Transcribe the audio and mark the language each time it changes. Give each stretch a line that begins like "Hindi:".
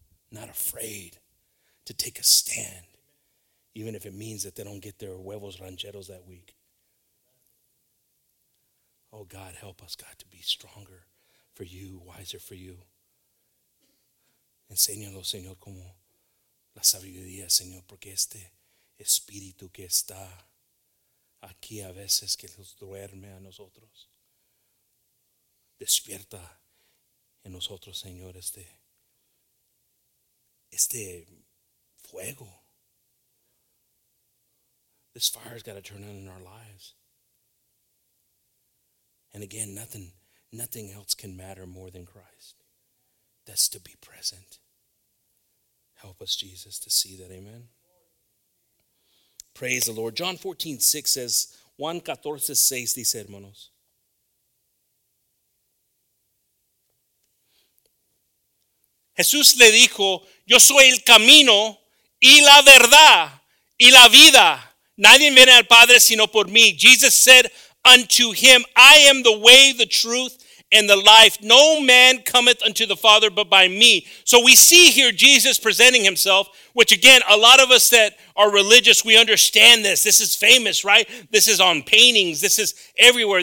English: Not afraid to take a stand, even if it means that they don't get their huevos rancheros that week. Oh God, help us, God, to be stronger for you, wiser for you.
Spanish: Enseñalo, Señor, como la sabiduría, Señor, porque este espíritu que está aquí a veces que nos duerme a nosotros. Despierta en nosotros, Señor, este fuego.
English: This fire's got to turn on in our lives. And again, nothing else can matter more than Christ. that's to be present. Help us, Jesus, to see that. Amen. Praise the Lord. John 14, 6 says,
Spanish: Juan 14, 6, dice, hermanos. Jesús le dijo, yo soy el camino y la verdad y la vida. Nadie viene al Padre sino por mí.
English: Jesus said unto him, I am the way, the truth, and the life. No man cometh unto the Father but by me. So we see here Jesus presenting himself, which again, a lot of us that are religious, we understand this. This is famous, right? This is on paintings. This is everywhere.